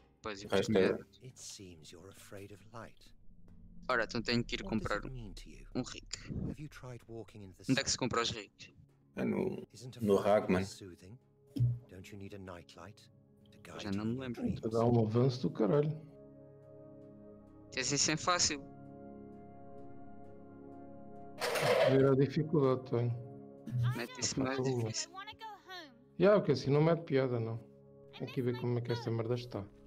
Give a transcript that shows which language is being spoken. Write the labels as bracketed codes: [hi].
[pt] Pois é, mas [en] it seems you're afraid of light. [pt] Ora, então tenho que ir comprar um rig. Onde é que se compra os rigs? É no [en] Ragman. Don't you need a nightlight to [pt] Já não me lembro. Então dá um avanço do caralho. Isso é fácil. Ver a dificuldade, tenho. Mete isso mais difícil. Já, yeah, porque assim não mete piada, não. Tem que ver como é que esta merda está.